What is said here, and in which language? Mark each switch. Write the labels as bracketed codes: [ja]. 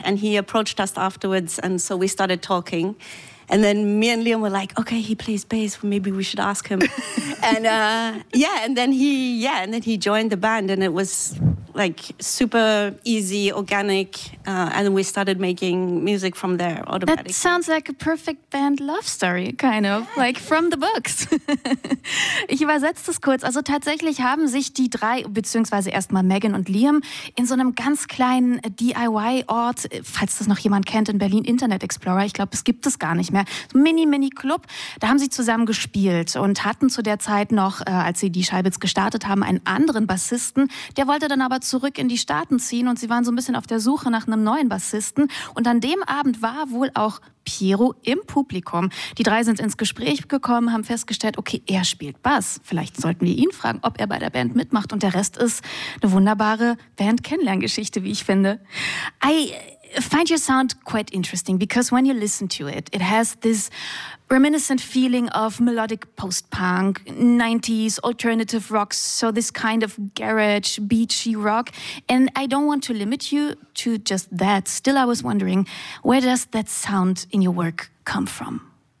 [en] And he approached us afterwards. And so we started talking. And then me and Liam were like, okay, he plays bass. Well, maybe we should ask him. And then he joined the band. And it was like super easy, organic. And we started making music from there automatically. That sounds like a perfect band love story, kind of. Yeah. Like from the books. [de] Ich übersetze das kurz. Also tatsächlich haben sich die drei, beziehungsweise erstmal Megan und Liam, in so einem ganz kleinen DIY-Ort, falls das noch jemand kennt, in Berlin, Internet Explorer, ich glaube, es gibt es gar nicht mehr, so ein Mini-Mini-Club, da haben sie zusammen gespielt und hatten zu der Zeit noch, als sie die Scheibitz gestartet haben, einen anderen Bassisten. Der wollte dann aber zurück in die Staaten ziehen und sie waren so ein bisschen auf der Suche nach einem neuen Bassisten. Und an dem Abend war wohl auch Piero im Publikum. Die drei sind ins Gespräch gekommen, haben festgestellt, okay, er spielt Bass. Vielleicht sollten wir ihn fragen, ob er bei der Band mitmacht. Und der Rest ist eine wunderbare Band-Kennlerngeschichte, wie ich finde. [en] I find your sound quite interesting, because when you listen to it, it has this reminiscent feeling of melodic post-punk, 90s, alternative rock, so this kind of garage, beachy rock. And I don't want to limit you to just that. Still, I was wondering, where does that sound in your work come from?